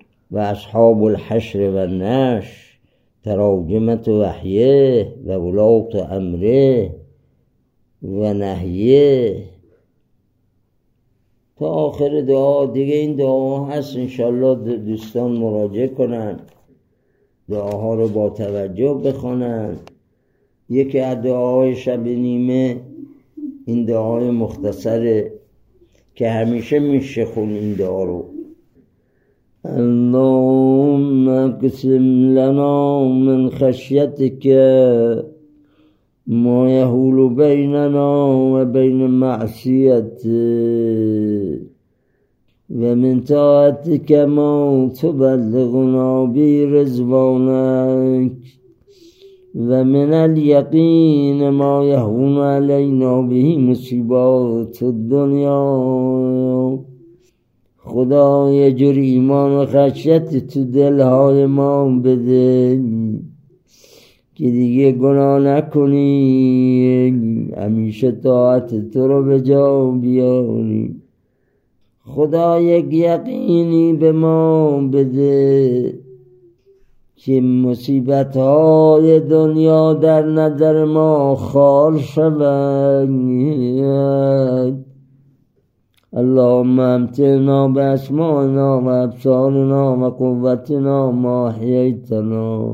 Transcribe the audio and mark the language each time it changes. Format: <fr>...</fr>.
<ar>و اصحاب الحشر و نش تراجمت وحیه و ولات امره و نهیه</ar> <fa>تا آخر دعا. دیگه این دعا هست، انشالله دوستان مراجعه کنن. دعاها رو با توجه بخونن. یکی از دعاهای شب نیمه این دعای مختصره که همیشه میشه خون این دعا رو.</fa> <ar>اللهم اقسم لنا من خشيتك ما يحول بيننا وبين معصيتك ومن طاعتك ما تبلغنا به رضوانك ومن اليقين ما يهون علينا به مصيبات الدنيا.</ar> <fa>خدای جور ایمان و خشیت تو دلهای ما بده که دیگه گناه نکنیم، همیشه طاعت تو رو به جا بیاریم. خدای یک یقینی به ما بده که مصیبت های دنیا در نظر ما خال شود.</fa> <ar>اللهم امتنا بأسمائنا وأبصارنا وقوتنا ما حييتنا.</ar>